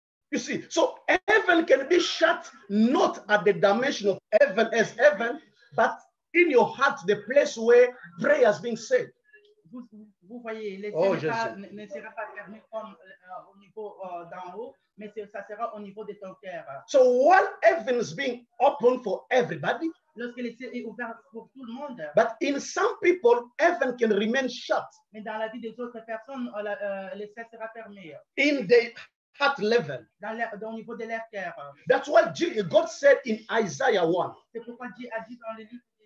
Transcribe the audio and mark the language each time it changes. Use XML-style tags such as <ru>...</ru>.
<en>You see, so heaven can be shut not at the dimension of heaven as heaven, but in your heart, the place where prayer is being said.</en> <fr>Vous voyez, les cieux ne sera pas fermé comme au niveau d'en haut, mais ça sera au niveau de ton cœur.</fr> <en>So while heaven is being open for everybody,</en> <fr>lorsque les cieux est ouvert pour tout le monde,</fr> <en>but in some people, heaven can remain shut.</en> <fr>Mais dans la vie des autres personnes, les cieux sera fermé.</fr> <en>In the heart level.</en> <fr>Dans niveau de leur cœur.</fr> <en>That's what God said in Isaiah 1.</en> <fr>C'est pourquoi Dieu a dit dans le livre.</fr>